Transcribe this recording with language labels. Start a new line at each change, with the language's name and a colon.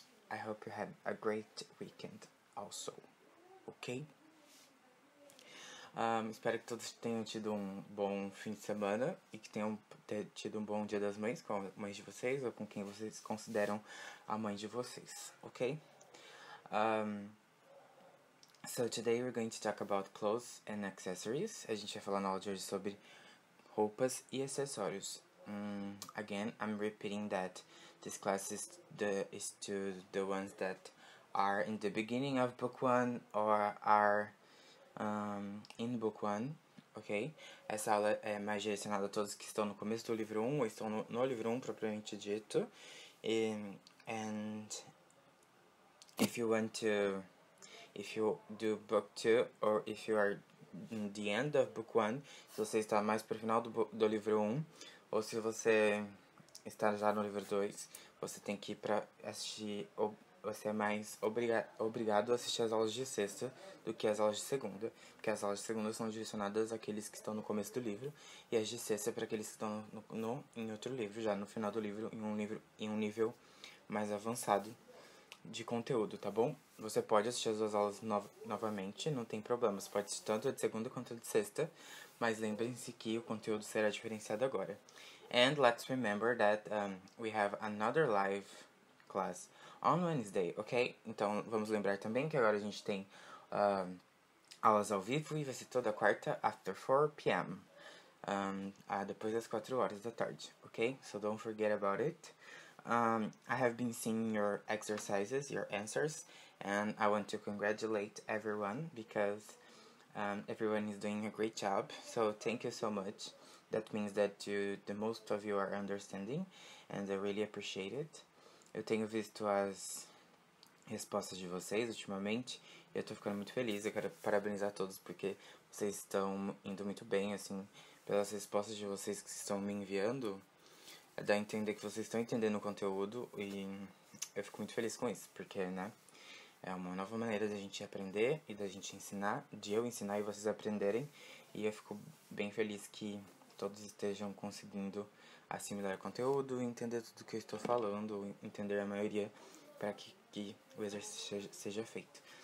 English: I hope you had a great weekend also, ok?
Portuguese: Espero que todos tenham tido um bom fim de semana e que tenham tido um bom dia das mães com a mãe de vocês ou com quem vocês consideram a mãe de vocês, ok?
English: So today we're going to talk about clothes and accessories.
Portuguese: A gente vai falar na aula de hoje sobre roupas e acessórios.
English: Again, I'm repeating that this class is to the ones that are in the beginning of book one or are in book one, ok?
Portuguese: Essa aula é mais direcionada a todos que estão no começo do livro 1 ou estão no livro 1 propriamente dito.
English: And if you want to, if you do book 2 or if you are in the end of book 1, se você está mais para o final do livro 1, ou se você
Portuguese: está já no livro 2, você tem que ir para assistir, você é mais obrigado a assistir as aulas de sexta do que as aulas de segunda, porque as aulas de segunda são direcionadas àqueles que estão no começo do livro, e as de sexta é para aqueles que estão em outro livro, já no final do livro, em um nível mais avançado de conteúdo, tá bom? Você pode assistir as duas aulas novamente, não tem problema, você pode assistir tanto a de segunda quanto a de sexta, mas lembrem-se que o conteúdo será diferenciado agora.
English: And let's remember that we have another live class on Wednesday, ok?
Portuguese: Então, vamos lembrar também que agora a gente tem aulas ao vivo e vai ser toda quarta after 4 p.m. Depois das 4 horas da tarde, ok? So don't forget about it.
English: I have been seeing your exercises, your answers, and I want to congratulate everyone because everyone is doing a great job. So thank you so much. That means that the most of you are understanding, and I really appreciate it.
Portuguese: Eu tenho visto as respostas de vocês ultimamente, e eu tô ficando muito feliz. Eu quero parabenizar todos, porque vocês estão indo muito bem, assim, pelas respostas de vocês que estão me enviando. Dá a entender que vocês estão entendendo o conteúdo, e eu fico muito feliz com isso, porque, né, é uma nova maneira da gente aprender e da gente ensinar, de eu ensinar e vocês aprenderem, e eu fico bem feliz que todos estejam conseguindo assimilar o conteúdo, entender tudo que eu estou falando, entender a maioria para que o exercício seja feito.